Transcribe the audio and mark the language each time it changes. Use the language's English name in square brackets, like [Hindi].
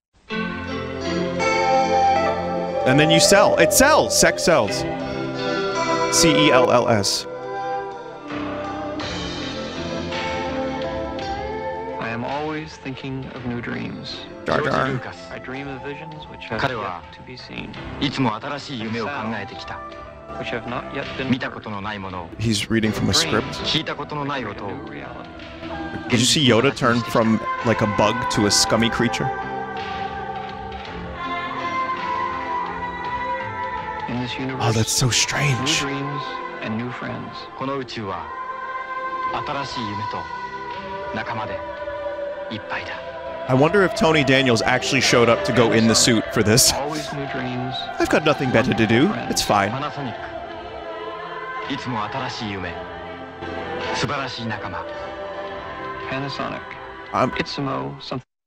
[English] And then you sell. It sells. Sex sells. CELLS. I am always thinking of new dreams. Jar Jar. I dream of visions which have yet to be seen. [Japanese] いつも新しい夢を考えてきた. [English] Which have not yet been heard. He's reading from a script. Did you see Yoda turn from like a bug to a scummy creature? In this universe, oh, that's so strange. New dreams and new friends. [Japanese] この宇宙は新しい夢と仲間でいっぱいだ. [English] I wonder if Tony Daniels actually showed up to go in the suit for this. I've got nothing better to do. It's fine. Panasonic. [Japanese] Itsumo [English] something.